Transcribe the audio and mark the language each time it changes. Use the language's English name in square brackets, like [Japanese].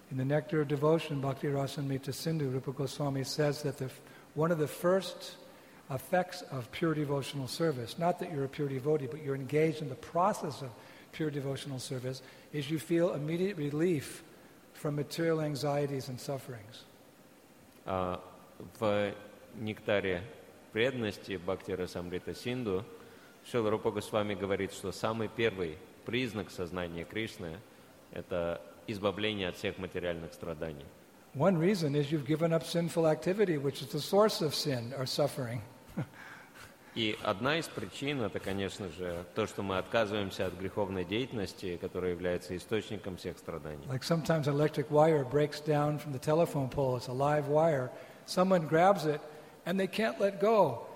[English] In the Nectar of Devotion, Bhakti Rasamrita Sindhu, Rupa Goswami says that one of the first effects of pure devotional service, not that you're a pure devotee, but you're engaged in the process of pure devotional service, is you feel immediate relief from material anxieties and sufferings. [Russian] В нектаре преданности Бхакти Расамрита Синду Шрила Рупа Госвами говорит, что самый первый признак сознания Кришны – это избавление от всех материальных страданий. [English] One reason is you've given up sinful activity, which is the source of sin or suffering. [Russian] И одна из причин – это, конечно же, то, что мы отказываемся от греховной деятельности, которая является источником всех страданий. [English] Like sometimes an electric wire breaks down from the telephone pole. It's a live wire. Someone grabs it, and they can't let go.